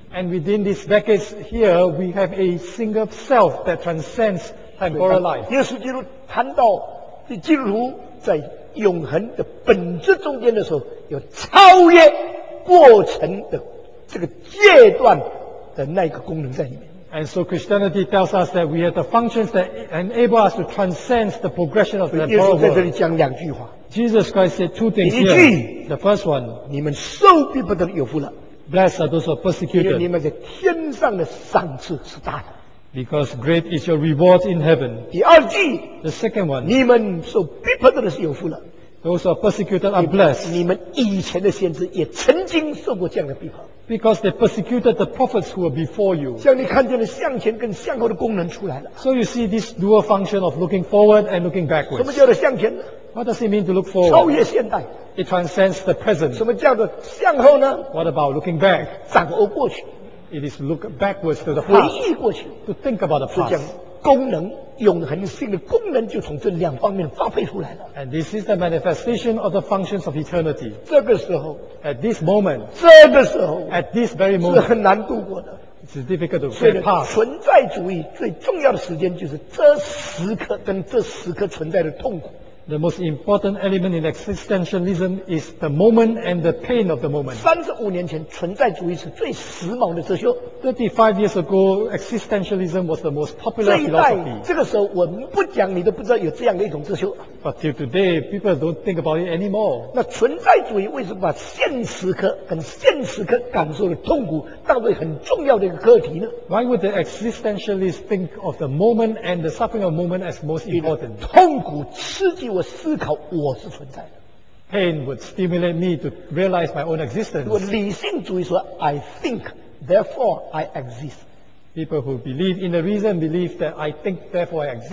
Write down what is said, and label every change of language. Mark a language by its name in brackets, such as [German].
[English] And within these decades here, we have a single self that transcends temporal life. [Chinese] 耶稣基督谈到基督徒在永恒的本质中间的时候，有超越过程的这个阶段的那个功能在里面。 [English] And so Christianity tells us that we have the functions that enable us to transcend the progression of the temporal world. [Chinese] 耶稣在这里讲两句话。 [English] Jesus Christ said two things here. [Chinese] 第一句, [English] the first one, [Chinese] 你们受逼迫的有福了。 [English] Blessed are those who are persecuted. [Chinese] 因为你们在天上的赏赐是大的。 [English] Because great is your reward in heaven. [Chinese] 第二句, [English] the second one, [Chinese] 你们受逼迫的是有福了。 [English] Those who are persecuted are blessed. [Chinese] 你们以前的先知也曾经受过这样的逼迫。 [English] Because they persecuted the prophets who were before you. [Chinese] 像你看见了向前跟向后的功能出来了。 [English] So you see this dual function of looking forward and looking backwards. [Chinese] 什么叫做向前呢？ [English] What does it mean to look forward? [Chinese] 超越现代。 [English] It transcends the present. [Chinese] 什么叫做向后呢？ [English] What about looking back? [Chinese] 展望过去。 [English] It is look backwards to the past. [Chinese] 回忆过去。 [English] To think about the past. [Chinese] 是讲功能，永恒性的功能就从这两方面发挥出来了。 [English] And this is the manifestation of the functions of eternity. [Chinese] 这个时候。 [English] At this moment. [Chinese] 这个时候。 [English] At this very moment. [Chinese] 是很难度过的。 [English] It's difficult to get past. [Chinese] 所以存在主义最重要的时间就是这时刻跟这时刻存在的痛苦。 [English] The most important element in existentialism is the moment and the pain of the moment. [Chinese] 35年前，存在主义是最时髦的哲学。 [English] 35 years ago, existentialism was the most popular philosophy. [Chinese] 这一代，这个时候我不讲，你都不知道有这样的一种哲学。 [English] But till today, people don't think about it anymore. [Chinese] 那存在主义为什么把现实刻跟现实刻感受的痛苦当作很重要的一个课题呢？ [English] Why would the existentialist think of the moment and the suffering of the moment as most important? [Chinese] 痛苦刺激我思考我是存在的。 [English] Pain would stimulate me to realize my own existence. [Chinese] 我理性主义说 [English] I think, therefore I exist. People who believe in the reason believe that I think, therefore I exist.